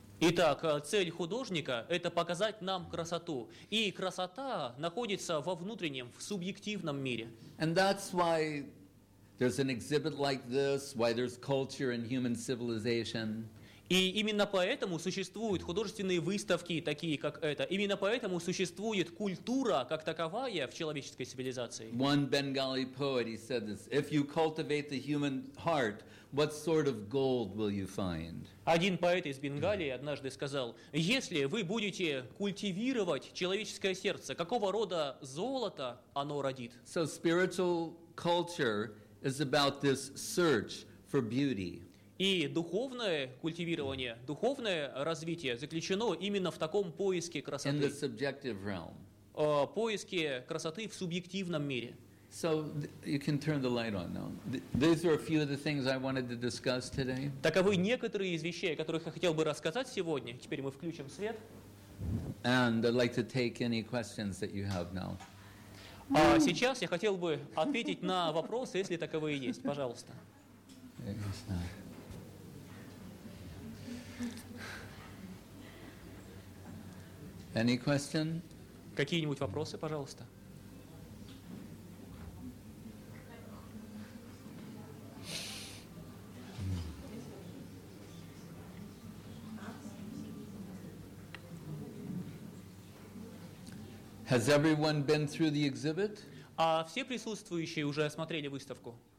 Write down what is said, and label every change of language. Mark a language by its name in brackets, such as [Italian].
[Russian] Итак, цель художника — это показать нам красоту. И красота находится во внутреннем, в субъективном мире. [English] And that's why there's an exhibit like this, why there's culture in human civilization. [Russian] И именно поэтому существуют художественные выставки, такие как это. Именно поэтому существует культура, как таковая, в человеческой цивилизации. [English] One Bengali poet, he said this, if you cultivate the human heart, what sort of gold will you find? [Russian] Один поэт из Бенгалии однажды сказал, если вы будете культивировать человеческое сердце, какого рода золото оно родит? [English] So spiritual culture is about this search for beauty. [Russian] И духовное культивирование, духовное развитие заключено именно в таком поиске красоты. [English] In the subjective realm. [Russian] Поиске красоты в субъективном мире. [English] So you can turn the light on now. These are a few of the things I wanted to discuss today. [Russian] Таковы некоторые из вещей, о которых я хотел бы рассказать сегодня. Теперь мы включим свет. [English] And I'd like to take any questions that you have now. [Russian] А сейчас я хотел бы ответить на вопросы, если таковые есть. Пожалуйста. [English] Any question? [Russian] Какие-нибудь вопросы, пожалуйста. [English] Has everyone been through the exhibit? [Russian] А все присутствующие уже осмотрели выставку?